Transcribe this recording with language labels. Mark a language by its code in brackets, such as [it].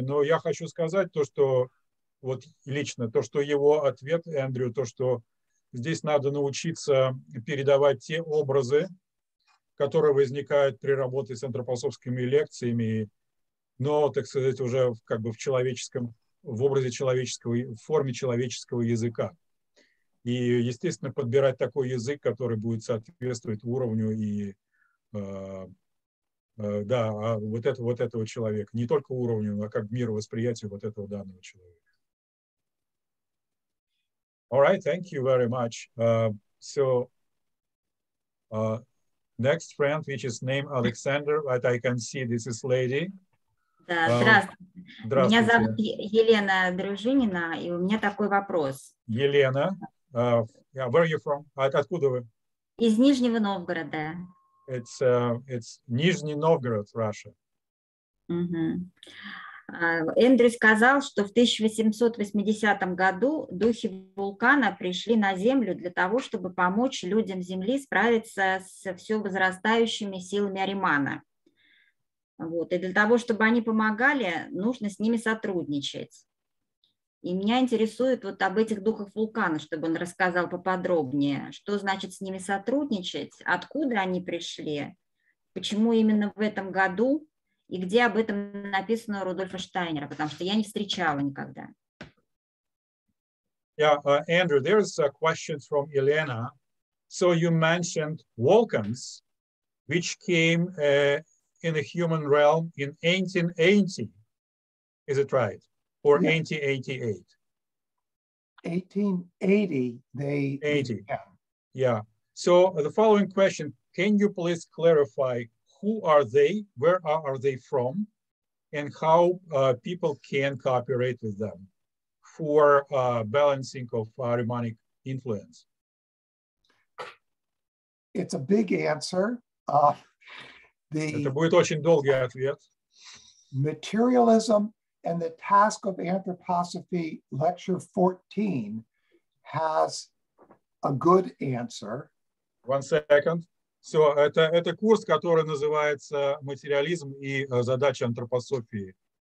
[ru] Но я хочу сказать то, что вот лично, то, что его ответ, Эндрю, то, что здесь надо научиться передавать те образы, которые возникают при работе с антропософскими лекциями, но, так сказать, уже как бы в человеческом, в образе человеческого, в форме человеческого языка. И, естественно, подбирать такой язык, который будет соответствовать уровню и, да, вот этого человека. Не только уровню, но как мировосприятию вот этого данного человека. [en] All right, thank you very much. So, next friend, which is named Alexander, but I can see this is lady. [ru] Да, здравствуйте. Меня зовут Елена Дружинина, и у меня такой вопрос. [en] Елена, yeah, where are you from? [ru] Откуда вы? Из Нижнего Новгорода. [en] It's Нижний Новгород, Russia. [ru] Эндрю сказал, что в 1880 году духи вулкана пришли на Землю для того, чтобы помочь людям Земли справиться с все возрастающими силами Аримана. Вот. И для того, чтобы они помогали, нужно с ними сотрудничать. И меня интересует вот об этих духах вулкана, чтобы он рассказал поподробнее, что значит с ними сотрудничать, откуда они пришли, почему именно в этом году и где об этом написано у Рудольфа Штайнера, потому что я не встречала никогда. [en] Yeah, Andrew, there is a question from Elena. So you mentioned vulcans, which came in the human realm in 1880. Is it right? Or 1888? 1880. Yeah. So the following question, can you please clarify who are they, where are they from, and how people can cooperate with them for balancing of Ahrimanic influence? It's a big answer. [ru] Это будет очень долгий ответ. [en] Materialism and the task of anthroposophy, lecture 14, has a good answer. One second. [ru] So, это курс, который называется «Материализм и задача антропософии».